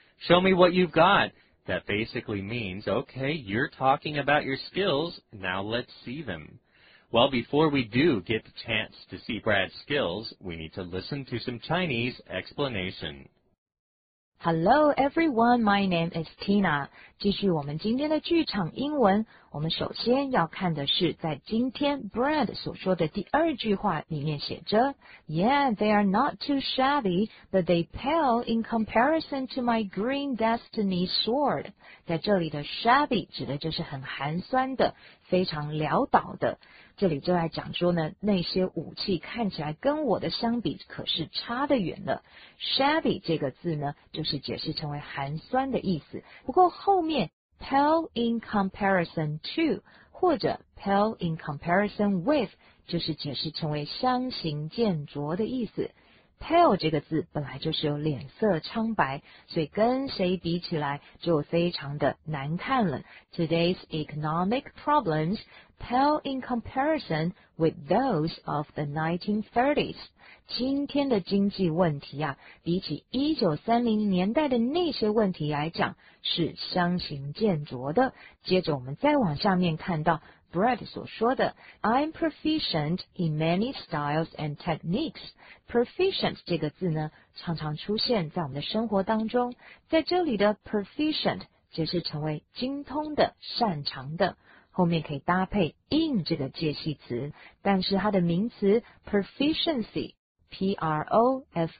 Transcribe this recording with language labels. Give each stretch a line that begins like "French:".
English: Show me what you've got. That basically means, okay, you're talking about your skills, now let's see them. Well, before we do get the chance to see Brad's skills, we need to listen to some Chinese explanation. Hello, everyone. My name is Tina.
Chinese: 继续我们今天的剧场英文。
English: 我们首先要看的是在今天 Brad 所说的第二句话里面写着 Yeah, they are not too shabby, but they pale in comparison to my green destiny sword.
Chinese: 在这里的 shabby 指的就是很寒酸的，非常潦倒的。这里就在讲说呢，那些武器看起来跟我的相比可是差得远了。 Shabby 这个字呢，就是解释成为寒酸的意思。不过后面 pale in comparison to 或者 pale in comparison with 就是解释成为相形见拙的意思。 Pale 这个字本来就是有脸色苍白，所以跟谁比起来就非常的难看了。
English: Today's economic problems pale in comparison with those of the 1930s.
Chinese: 今天的经济问题啊，比起1930年代的那些问题来讲，是相形见拙的。接着我们再往下面看到Brad 所说的 I'm proficient in many styles and techniques. Proficient 这个字呢，常常出现在我们的生活当中。在这里的 proficient 解释成为精通的、擅长的，后面可以搭配 in 这个介系词，但是它的名词 proficiency P-R-O-F-I-C-I-E-N-C-Y